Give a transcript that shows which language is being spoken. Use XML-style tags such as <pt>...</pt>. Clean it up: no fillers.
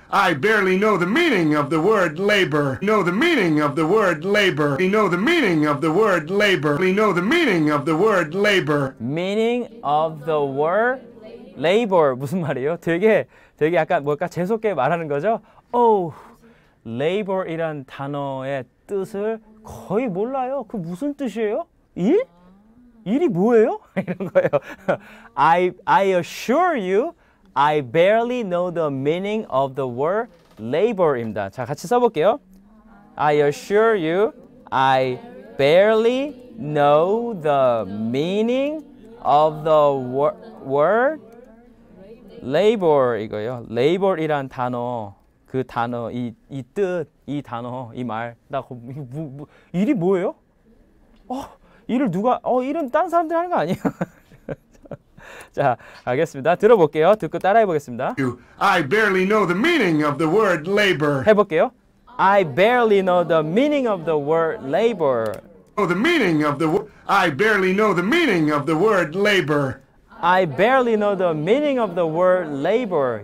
<en>I barely know the meaning of the word labor. Know the meaning of the word labor. We know the meaning of the word labor. We know the meaning of the word labor. Meaning of the word labor.</en> <ko>무슨 말이에요? 되게 약간 뭐랄까 재수없게 말하는 거죠. 오, labor이란 단어의 뜻을 거의 몰라요. 그 무슨 뜻이에요? 일? 일이 뭐예요? 이런 거예요.</ko> <en>I assure you, I barely know the meaning of the word labor입니다.</en> <ko>자, 같이 써볼게요.</ko> <en>I assure you, I barely know the meaning of the word labor</en> <ko>이거요. labor이란 단어 그 단어 이 뜻 이 단어 이 말 나 일이 뭐예요? 일을 누가 일은 다른 사람들이 하는 거 아니야? 자, 알겠습니다. 들어볼게요. 듣고 따라해 보겠습니다.</ko> <en>I barely know the meaning of the word labor.</en> <ko>해 볼게요.</ko> <en>I barely know the meaning of the word labor. Oh, the meaning of the I barely know the meaning of the word labor. I barely know the meaning of the word labor.</en>